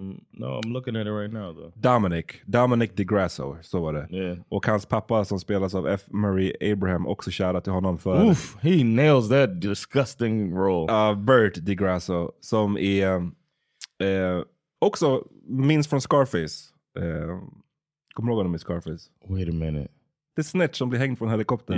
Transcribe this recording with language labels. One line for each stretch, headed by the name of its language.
English: No, I'm looking at it right now though.
Swedish: Dominic DeGrasso, så var det.
English: Yeah.
Swedish: Och hans pappa som spelas av F. Murray Abraham, också shoutout till honom för...
English: Oof, he nails that disgusting role.
Swedish: Bert DeGrasso, som är också minns från Scarface. Kommer du ihåg honom i Scarface?
English: Wait a minute. The snitch
Swedish: som blir hängd från helikoptern.